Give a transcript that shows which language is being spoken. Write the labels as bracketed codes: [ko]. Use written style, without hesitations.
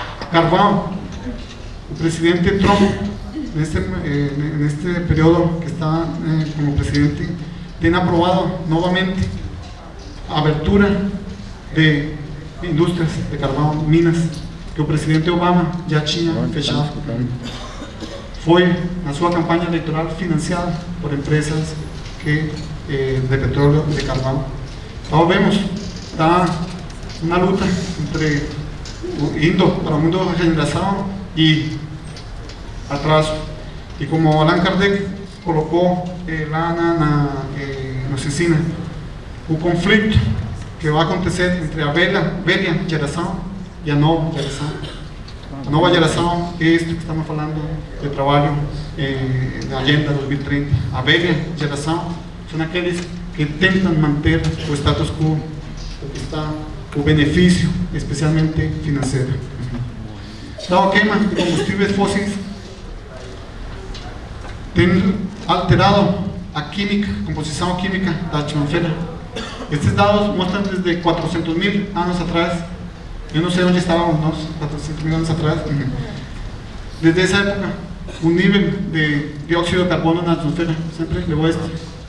[es] Carbón, el presidente Trump, en este periodo que está como presidente, tiene aprobado nuevamente abertura de industrias de carbón, minas, que el presidente Obama ya tenía fechado. Fue en su campaña electoral financiada por empresas de petróleo y de carbón. [pt] Então vemos, está uma luta entre indo para o mundo da regeneração e atraso. E como Allan Kardec colocou lá na oficina, o conflito que vai acontecer entre a velha geração e a nova geração. A nova geração é isto que estamos falando de trabalho na Agenda 2030. A velha geração são aqueles que [es] intentan mantener su status quo, porque está su beneficio, especialmente financiero. La quema de combustibles fósiles tiene alterado la química, composición química de la atmósfera. Estos datos muestran desde 400.000 años atrás, yo no sé dónde estábamos, ¿no? 400.000 años atrás. Desde esa época, un nivel de dióxido de carbono en la atmósfera, siempre le voy a decir.